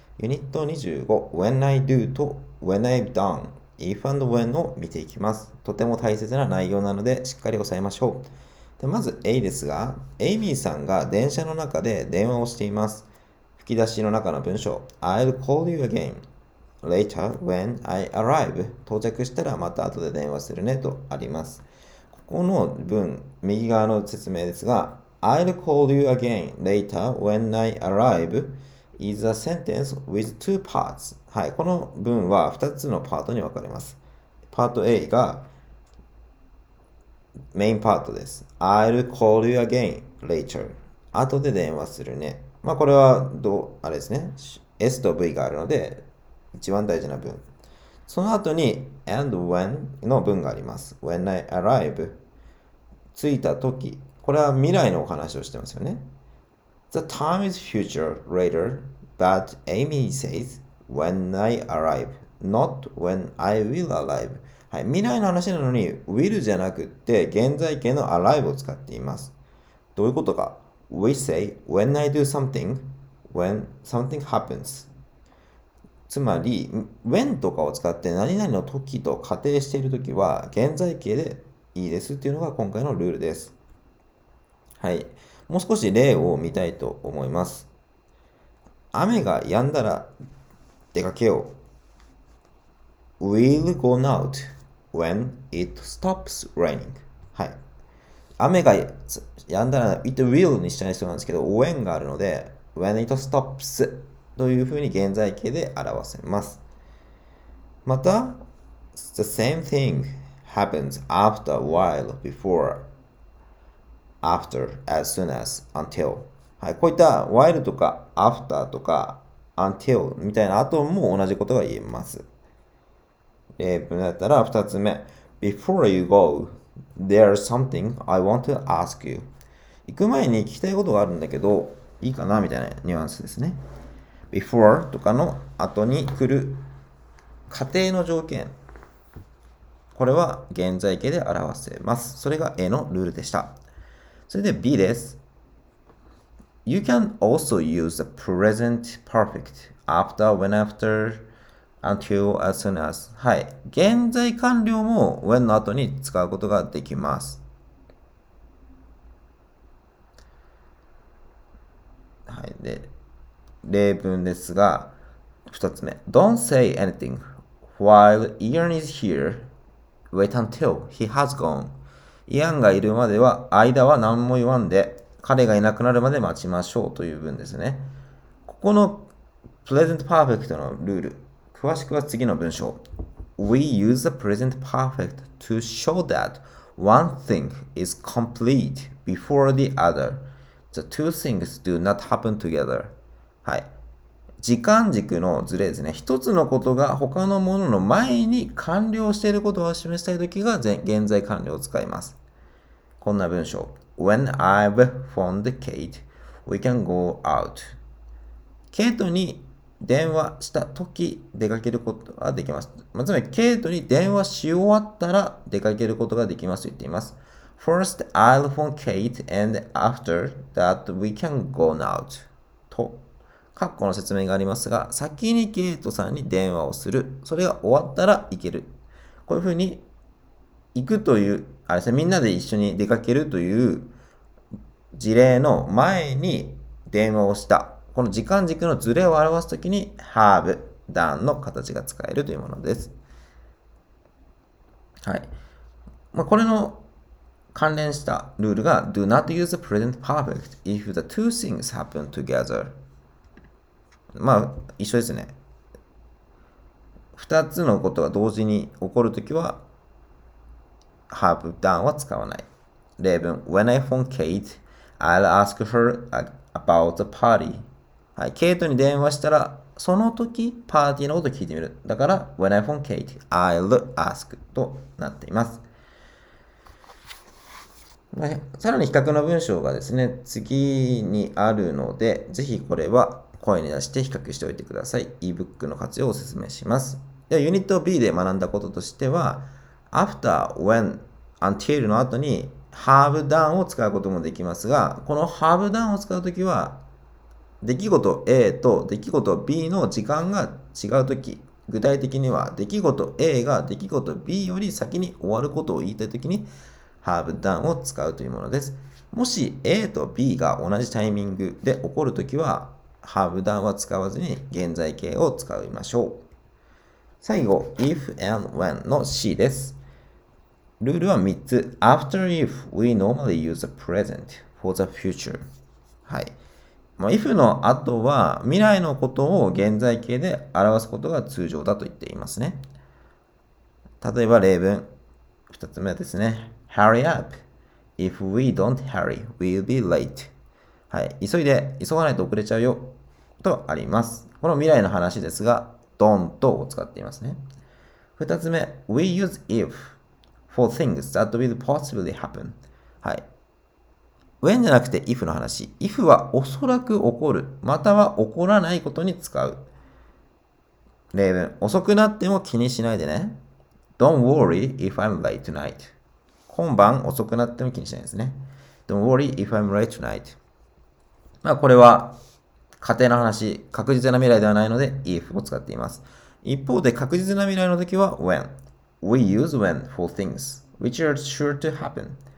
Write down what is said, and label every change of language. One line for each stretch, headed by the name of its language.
Japanese: ユニット25、When I do と When I've done、If and when を見ていきます。とても大切な内容なので、しっかり押さえましょう。で、まず A ですが、Amy さんが電車の中で電話をしています。吹き出しの中の文章、
English: I'll call you again later when I arrive。
Japanese: 到着したらまた後で電話するねとあります。ここの文、右側の説明ですが、
English: I'll call you again later when I arrive is a sentence with two parts。
Japanese: はい、この文は2つのパートに分かれます。パート A がメインパートです。
English: I'll call you again later、
Japanese: 後で電話するね。まあこれはどう、あれですね、S と V があるので一番大事な文。その後に and when の文があります。
English: when I arrive、
Japanese: 着いた時、これは未来のお話をしてますよね。
English: The time is future later but Amy says when I arrive not when I will arrive。
Japanese: はい、未来の話なのに will じゃなくって現在形の arrive を使っています。どういうことか。
English: We say when I do something when something happens。
Japanese: つまり when とかを使って何々の時と仮定している時は現在形でいいですっていうのが今回のルールです。はい、もう少し例を見たいと思います。雨が止んだら出かけよう。
English: We'll go out when it stops raining。
Japanese: はい、雨が止んだら it will にしたい人なんですけど、 when があるので
English: when it stops
Japanese: というふうに現在形で表せます。
English: また、 The same thing happens after a while before after as soon as until。
Japanese: はい、こういった while とか after とか until みたいな後も同じことが言えます。例文だったら2つ目、
English: Before you go there's something I want to ask you。
Japanese: 行く前に聞きたいことがあるんだけどいいかなみたいなニュアンスですね。 before とかの後に来る仮定の条件、これは現在形で表せます。それが A のルールでした。それで B です。
English: You can also use the present perfect after, when after, until, as soon as。
Japanese: はい、現在完了も when の後に使うことができます。はい、で、例文ですが、2つ目。
English: Don't say anything while Ian is here. Wait until he has gone。
Japanese: イアンがいるまでは、間は何も言わんで、彼がいなくなるまで待ちましょうという文ですね。ここの present perfect のルール、詳しくは次の文章。
English: We use the present perfect to show that one thing is complete before the other. The two things do not happen together。
Japanese: はい、時間軸のズレですね。一つのことが他のものの前に完了していることを示したいときが現在完了を使います。こんな文章。
English: When I've phoned Kate, we can go out。
Japanese: ケイトに電話したとき出かけることができます。まあ、つまりケイトに電話し終わったら出かけることができますと言っています。
English: First, I'll phone Kate and after that we can go out。
Japanese: と、括弧の説明がありますが、先にケイトさんに電話をする。それが終わったら行ける。こういうふうに行くという、あれですね、みんなで一緒に出かけるという事例の前に電話をした。この時間軸のずれを表すときに have done の形が使えるというものです。はい。まあ、これの関連したルールが
English: do not use the present perfect if the two things happen together。
Japanese: まあ、一緒ですね。 2つのことが同時に起こるときは have done は使わない。
English: 例文、When I phone Kate, I'll ask her about the party。
Japanese: はい、ケイトに電話したらその時パーティーのことを聞いてみる。だから
English: When I phone Kate, I'll ask
Japanese: となっています。さらに比較の文章がですね、次にあるので、ぜひこれは声に出して比較しておいてください。 ebook の活用をお勧めします。ではユニット B で学んだこととしては、 after when until の後に have done を使うこともできますが、この have done を使うときは、出来事 A と出来事 B の時間が違うとき、具体的には出来事 A が出来事 B より先に終わることを言いたいときに、have done を使うというものです。もし A と B が同じタイミングで起こるときは、have done は使わずに現在形を使いましょう。最後、if and when の C です。ルールは3つ。
English: After if, we normally use the present for the future.
Japanese: はい。まあ、if の後は未来のことを現在形で表すことが通常だと言っていますね。例えば例文。2つ目ですね。
English: Hurry up. If we don't hurry, we'll be late.
Japanese: はい。急いで、急がないと遅れちゃうよ。とあります。この未来の話ですが、don't を使っていますね。
English: 2つ目。We use if. For things that will possibly happen.
Japanese: はい。 When じゃなくて if の話。if はおそらく起こる、または起こらないことに使う。例文。遅くなっても気にしないでね。
English: Don't worry if I'm late tonight.
Japanese: 今晩遅くなっても気にしないですね。
English: Don't worry if I'm late tonight.
Japanese: まあこれは仮定の話。確実な未来ではないので if を使っています。一方で確実な未来の時は when。
English: We use when for things which are sure to happen.